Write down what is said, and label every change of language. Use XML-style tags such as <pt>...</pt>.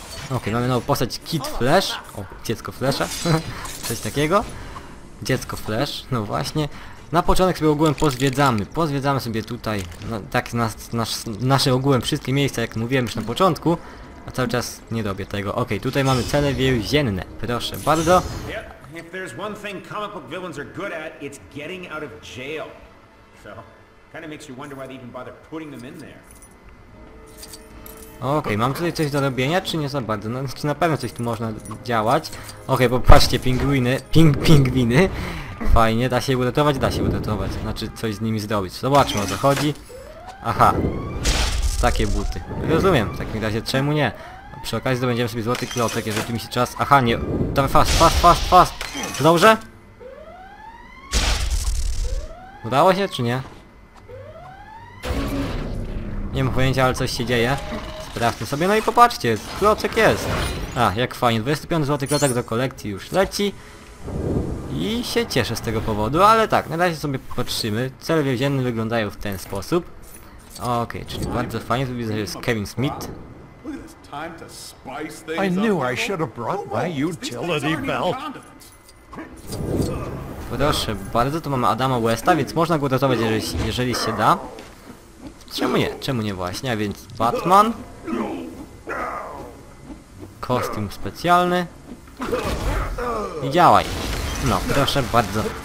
<pl>Okej, mamy nową postać Kid Flash. O, dziecko Flasha. Coś takiego. Dziecko Flash, no właśnie. Na początek sobie ogółem pozwiedzamy. Pozwiedzamy sobie tutaj, no, tak nasze ogółem wszystkie miejsca, jak mówiłem już na początku. A cały czas nie robię tego. Okej, tutaj mamy cele więzienne. Proszę bardzo.</pl> <en>If there's one thing comic book villains are good at, it's getting out of jail. So, kind of makes you wonder why they even bother putting them in there.</en> <pl>Okej, mam tutaj coś do robienia, czy nie za bardzo? No, czy na pewno coś tu można działać? Okej, popatrzcie, pingwiny. Fajnie, da się uratować. Znaczy, coś z nimi zrobić. Zobaczmy, o co chodzi. Aha. Takie buty. Rozumiem, w takim razie czemu nie? Przy okazji zdobędziemy sobie złoty klocek, jeżeli mi się czas... Aha, nie... Dawaj, fast! Dobrze? Udało się, czy nie? Nie mam pojęcia, ale coś się dzieje. Sprawdźmy sobie, no i popatrzcie, klocek jest. A, jak fajnie, 25 złoty klocek do kolekcji już leci. I się cieszę z tego powodu, ale tak, na razie sobie popatrzymy. Cele więzienne wyglądają w ten sposób. Okej, czyli bardzo fajnie, tu widzę, że jest Kevin Smith.</pl> <en>Time to spice things I knew up. I should have brought my utility belt.</en> <pl>Proszę bardzo, tu mamy Adama Westa, więc można go uratować, jeżeli się da. Czemu nie właśnie, a więc Batman. Kostium specjalny. I działaj. No, proszę bardzo.</pl>